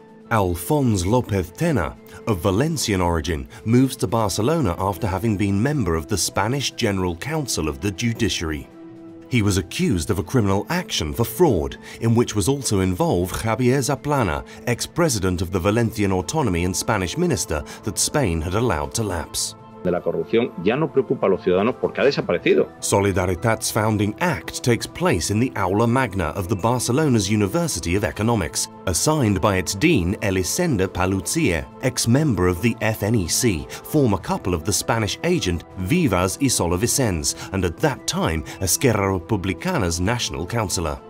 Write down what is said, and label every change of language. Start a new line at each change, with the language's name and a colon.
English: Alfons López Tena, of Valencian origin, moves to Barcelona after having been member of the Spanish General Council of the Judiciary. He was accused of a criminal action for fraud, in which was also involved Javier Zaplana, ex-president of the Valencian Autonomy and Spanish minister that Spain had allowed to lapse.
Spanish: De la corrupción ya no preocupa a los ciudadanos porque ha desaparecido.
English: Solidaritat's founding act takes place in the Aula Magna of the Barcelona's University of Economics, assigned by its dean Elisenda Paluzie, ex-member of the FNEC, former couple of the Spanish agent Vives y Sola Vicens, and at that time Esquerra Republicana's national councillor.